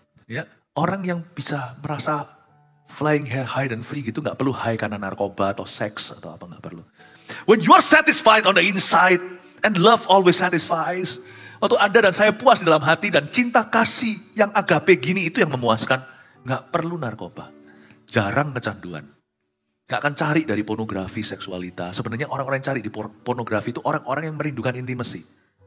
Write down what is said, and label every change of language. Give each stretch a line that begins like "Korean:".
Indonesian: Ya, orang yang bisa merasa flying high dan free gitu gak perlu high karena narkoba atau seks atau apa, gak perlu.
English: When you are satisfied on the inside and love always satisfies.
Indonesian: Waktu Anda dan saya puas di dalam hati dan cinta kasih yang agape gini itu yang memuaskan. Gak perlu narkoba. Jarang kecanduan. Gak akan cari dari pornografi seksualitas. Sebenarnya orang-orang yang cari di pornografi itu orang-orang yang merindukan intimasi.